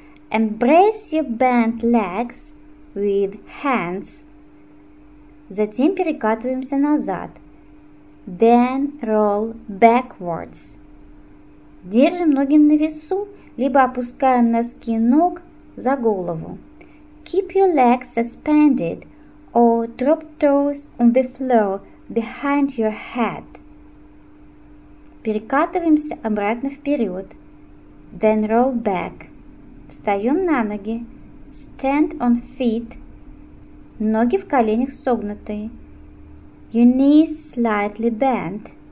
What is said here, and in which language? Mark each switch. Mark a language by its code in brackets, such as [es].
[en] Embrace your bent legs with hands. [ru] Затем перекатываемся назад. [en] Then roll backwards. [ru] Держим ноги на весу, либо опускаем носки ног за голову. [en] Keep your legs suspended or drop toes on the floor behind your head. [ru] Перекатываемся обратно вперед. [en] Then roll back. [ru] Встаем на ноги. [en] Stand on feet. [ru] Ноги в коленях согнуты. [en] Your knees slightly bent.